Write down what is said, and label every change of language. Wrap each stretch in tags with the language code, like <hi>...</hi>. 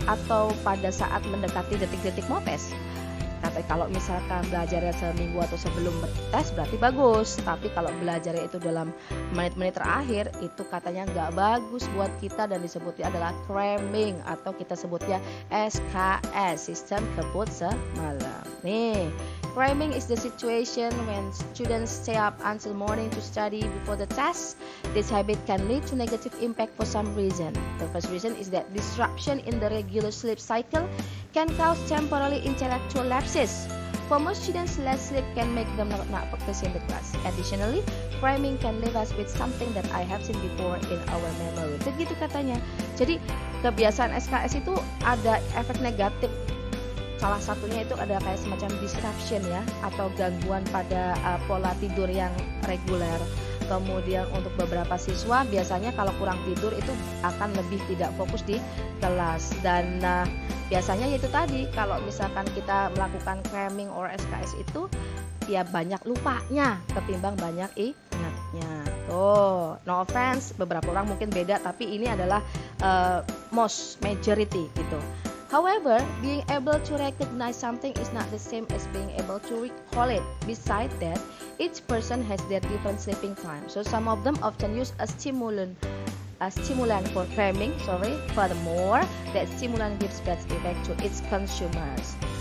<id>Atau pada saat mendekati detik-detik mau tes? Tapi kalau misalkan belajarnya seminggu atau sebelum tes berarti bagus. Tapi kalau belajarnya itu dalam menit-menit terakhir, itu katanya nggak bagus buat kita dan disebutnya adalah cramming atau kita sebutnya SKS, sistem kebut semalam. Nih,</id> <en>cramming is the situation when students stay up until morning to study before the test. This habit can lead to negative impact for some reason. The first reason is that disruption in the regular sleep cycle can cause temporary intellectual lapses. For most students, less sleep can make them not focus in the class. Additionally, cramming can leave us with something that I have seen before in our memory.</en> <id>Begitu katanya. Jadi, kebiasaan SKS itu ada efek negatif. Salah satunya itu ada kayak semacam disruption ya, atau gangguan pada pola tidur yang reguler. Kemudian untuk beberapa siswa, biasanya kalau kurang tidur itu akan lebih tidak fokus di kelas. Dan biasanya itu tadi, kalau misalkan kita melakukan cramming or SKS itu, ya banyak lupanya ketimbang banyak ingatnya. Tuh,</id> <en>no offense,</en> <id>beberapa orang mungkin beda, tapi ini adalah</id> <en>most majority</en> <id>gitu.</id> <en>However, being able to recognize something is not the same as being able to recall it. Besides that, each person has their different sleeping time. So some of them often use a stimulant for cramming. Sorry. Furthermore, that stimulant gives bad effect to its consumers.</en>